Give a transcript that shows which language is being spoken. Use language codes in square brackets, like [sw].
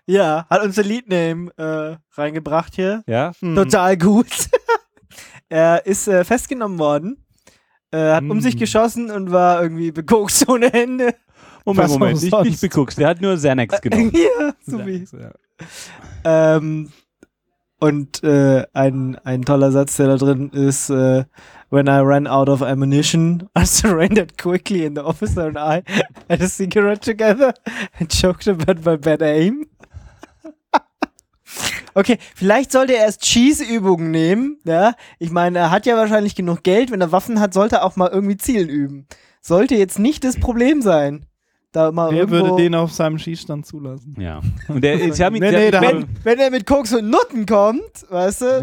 [de] Ja, hat unser Leadname reingebracht hier. Ja. Total gut. Er ist festgenommen worden, hat um sich geschossen und war irgendwie bekokst ohne Hände. Moment, ich nicht bekokst, der hat nur Xanax genommen. Ja, so wie. Ein toller Satz, der da drin ist, [en] when I ran out of ammunition, I surrendered quickly and the officer and I had a cigarette together and joked about my bad aim. [de] Okay, vielleicht sollte er erst Cheese-Übungen nehmen, ja? Ich meine, er hat ja wahrscheinlich genug Geld, wenn er Waffen hat, sollte er auch mal irgendwie Zielen üben. Sollte jetzt nicht das Problem sein. Wer würde den auf seinem Schießstand zulassen? Ja. Wenn er mit Koks und Nutten kommt, weißt du?